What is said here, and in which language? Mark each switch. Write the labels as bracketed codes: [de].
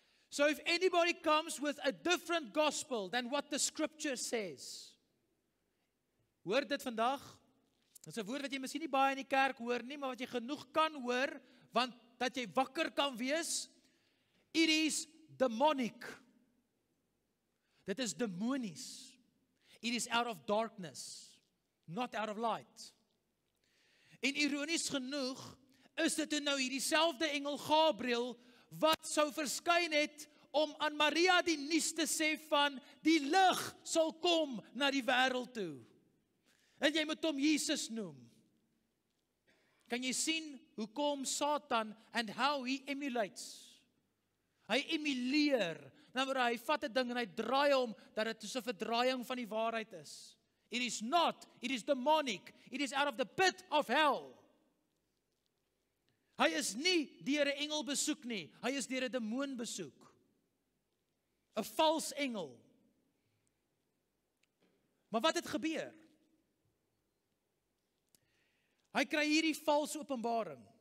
[en] So if anybody comes with a different gospel than what the scripture says, [af] hoor dit vandag, dit is 'n woord wat jy misschien nie baie in die kerk hoor nie, maar wat jy genoeg kan hoor, want dat jy wakker kan wees, [en] it is demonic. [af] Dit is demonies. [en] It is out of darkness, not out of light. [af] En ironies genoeg, is dit nou hierdie selfde engel Gabriel, wat sou verskyn het, om aan Maria die nuus te sê van, die lig sal kom na die wêreld toe. En jy moet hom Jesus noem. Kan jy sien, hoe kom Satan, [en] and how he emulates? [af] Hy emuleer, nou hy vat die ding en hy draai om, dat het soos 'n verdraaiing van die waarheid is. [en] It is not, it is demonic, it is out of the pit of hell. [af] Hy is nie deur 'n engel besoek nie, hy is deur 'n demoon besoek. 'N Vals engel. Maar wat het gebeur? Hy kry hierdie valse openbaring.